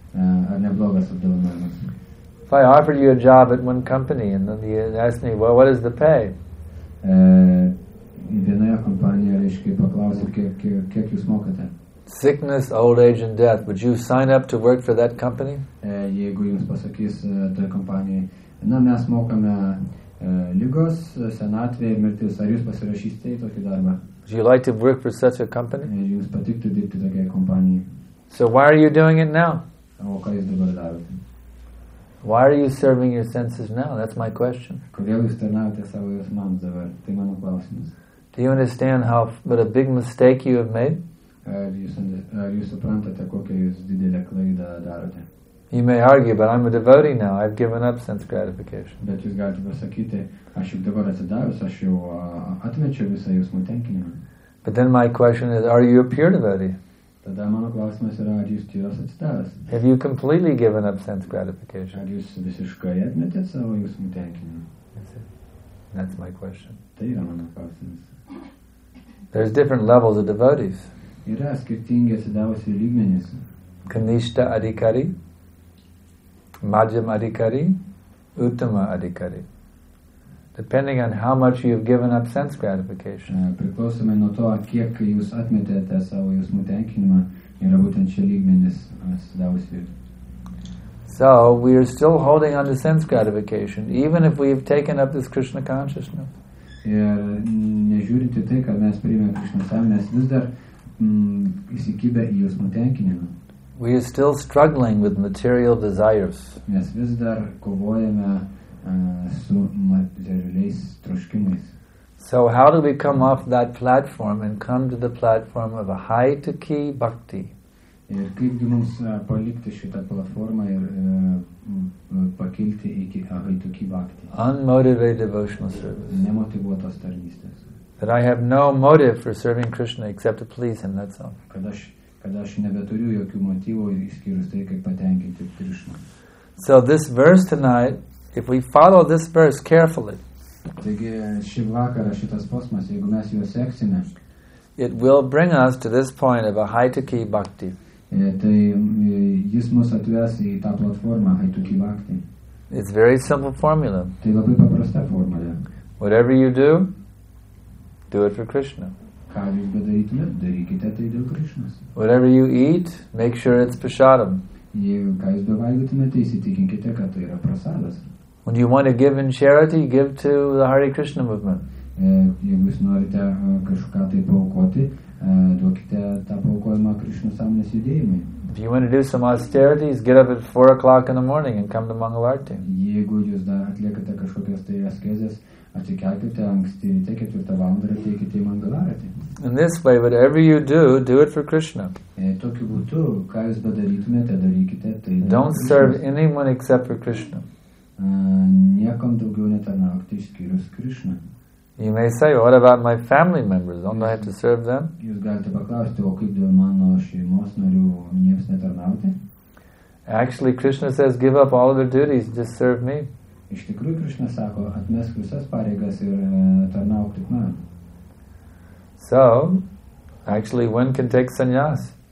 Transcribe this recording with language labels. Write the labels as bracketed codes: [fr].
[lt] Ar neblogas apdovanojimas? [en] If I offered you a job at one company and then you asked me, well, what is the pay? [lt] Vienoje kompanijoje, reiškiai, paklausė, kiek jūs mokate? [en] Sickness, old age and death. Would you sign up to work for that company? [lt] Jeigu jums pasakys toje kompanijoje, na, mes mokame ligos, senatvė ir mirtis. Ar jūs pasirašysite į tokį darbą? [en] Would you like to work for such a company? [lt] Jums patiktų dirbti tokiai kompanijai. [en] So why are you doing it now? [lt] O ką jūs dabar darote? [en] Why are you serving your senses now? That's my question. [lt] Kodėl jūs tarnaujate savo jausmams dabar? Tai mano klausimas. [en] Do you understand how what a big mistake you have made? [lt] Ar jūs suprantate, kokią jūs didelę klaidą darote? [en] You may argue, but I'm a devotee now. I've given up sense gratification. [lt] Bet jūs galite pasakyti, aš jau dabar atsidavęs, aš jau atmečiau visą jausmų tenkinimą. [en] But then my question is, are you a pure devotee? [lt] Tada mano klausimas yra, ar jūs tyras atsidavęs? [en] Have you completely given up sense gratification? [lt] Ar jūs visiškai atmetėt savo jausmų tenkinimą? [en] That's my question. [lt] Tai yra mano klausimas. [en] There's different levels of devotees. [lt] Yra skirtingi atsidavusių lygmenys. [sa] Kanishta adhikari, Majjama adhikari, Uttama adhikari. [en] Depending on how much you've given up sense gratification. [lt] Priklausomai nuo to, kiek jūs atmetėte savo jausmų tenkinimą, yra būtent šie lygmenys atsidavusių. [en] So we are still holding on to sense gratification, even if we've taken up this Krishna consciousness. [lt] Ir nežiūrint į tai, kad mes priėmėm Krishna sąmonės, vis dar įsikibę į jausmų tenkinimą. [en] We are still struggling with material desires. [lt] Mes vis dar kovojame su materialiais troškimais. [en] So how do we come off that platform and come to the platform of a high to key bhakti? [lt] Ir kaipgi mums palikti šitą platformą ir pakilti iki high to key bhakti? [en] Unmotivated devotional service. [lt] Nemotivuotos tarnystės. [en] That I have no motive for serving Krishna except to please him, that's all. [lt] Kad aš nebeturiu jokių motyvų išskyrus tai, kaip patenkinti Krishna. [en] So this verse tonight, if we follow this verse carefully, [lt] taigi šį vakarą šitas posmas, jeigu mes juos seksime, [en] it will bring us to this point of a high to key bhakti. [lt] Tai jis mus atves į tą platformą high to key bhakti. [en] It's very simple formula. [lt] Tai labai paprasta formulė. [en] Whatever you do, do it for Krishna. [lt] Ką jūs bedarytumėt, darykite tai dėl Krishnas. [en] Whatever you eat, make sure it's prasadam. [lt] Jei ką jūs bevalgytumėte, įsitikinkite, kad tai yra prasadas. [en] When you want to give in charity, give to the Hare Krishna movement. [lt] Jeigu jūs norite kažką tai paukoti, duokite tą paukojimą Krishna sąmonės judėjimui. [en] If you want to do some austerities, get up at 4 o'clock in the morning and come to Mangalarti. [lt] Jeigu jūs dar atliekate kažkokias tai askezes, atsikelkite anksti ryte 4 valandą ir ateikite į Mangalarti. [en] In this way, whatever you do, do it for Krishna. [lt] Tokiu būdu, ką jūs bedarytumėte, darykite tai. [en] Don't serve anyone except for Krishna. [lt] Niekam daugiau netarnaukti išskyrus Krishna. [en] You may say, what about my family members? Don't I have to serve them? [lt] Jūs galite paklausti, o kaip dėl mano šeimos narių, jiems netarnauti? [en] Actually, Krishna says, give up all other duties, just serve me. [lt] Iš tikrųjų, Krishna sako, atmesk visas pareigas ir tarnauk tik man. [en] So, actually, one can take sannyas.